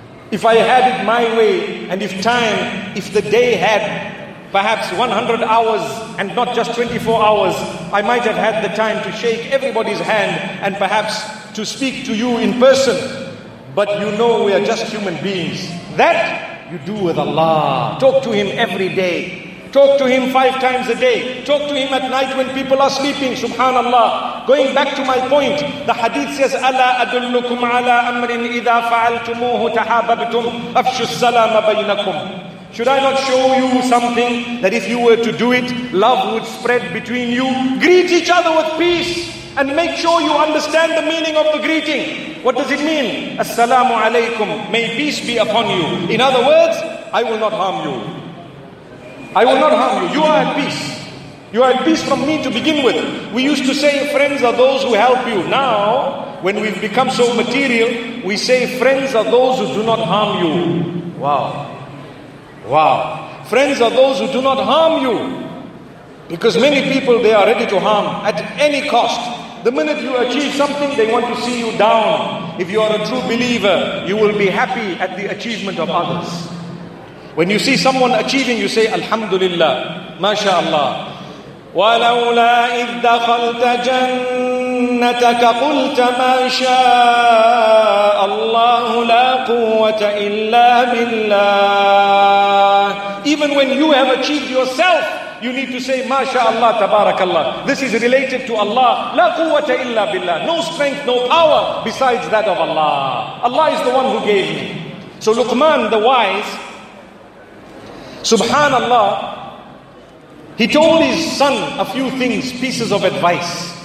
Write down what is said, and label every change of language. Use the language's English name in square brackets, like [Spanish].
[English] If I had it my way, and if time, if the day had perhaps 100 hours and not just 24 hours, I might have had the time to shake everybody's hand and perhaps to speak to you in person. But you know we are just human beings. That you do with Allah. Talk to Him every day. Talk to Him 5 times a day. Talk to Him at night when people are sleeping. [Arabic] Subhanallah. [English] Going back to my point, the hadith says, [Arabic] أَلَا أَدُلُّكُمْ عَلَىٰ أَمْرٍ إِذَا فَعَلْتُمُوهُ تَحَابَبْتُمْ أَفْشُ السَّلَامَ بَيْنَكُمْ. [English] Should I not show you something that if you were to do it, love would spread between you? Greet each other with peace and make sure you understand the meaning of the greeting. What does it mean? Assalamu alaikum. May peace be upon you. In other words, I will not harm you. I will not harm you. You are at peace. You are at peace from me to begin with. We used to say friends are those who help you. Now, when we've become so material, we say friends are those who do not harm you. Wow. Wow. Friends are those who do not harm you. Because many people, they are ready to harm at any cost. The minute you achieve something, they want to see you down. If you are a true believer, you will be happy at the achievement of others. When you see someone achieving, you say, Alhamdulillah, MashaAllah. [Arabic] ولولا إذ دخلت جنتك قلت ما شاء الله لا قوة إلا بالله. [English] Even when you have achieved yourself, you need to say, MashaAllah, Tabarakallah. This is related to Allah. [Arabic] La quwwata illa billah. [English] No strength, no power besides that of Allah. Allah is the one who gave me. So Luqman the wise, subhanallah, he told his son a few things, pieces of advice.